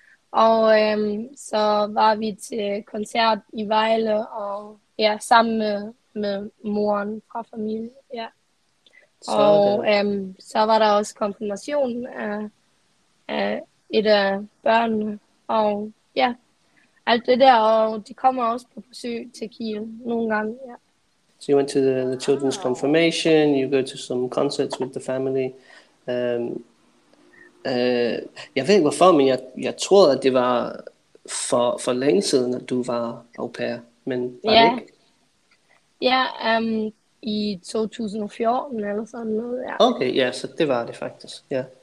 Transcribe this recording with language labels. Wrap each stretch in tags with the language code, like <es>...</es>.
<da>Og så var vi til koncert i Vejle, og ja, sammen med moren fra familien. Ja. Og så var der også konfirmationen af et af børnene. Og ja, alt det der, og de kommer også på besøg til Kiel nogle gange, ja.</da> <en>So you went to the children's confirmation, you go to some concerts with the family.</en> <da>Jeg ved ikke hvorfor, men jeg tror, at det var for længe siden, at du var au pair, men var det ikke? Ja, i 2014 eller sådan noget, ja. Okay, ja, så det var det faktisk, ja.</da>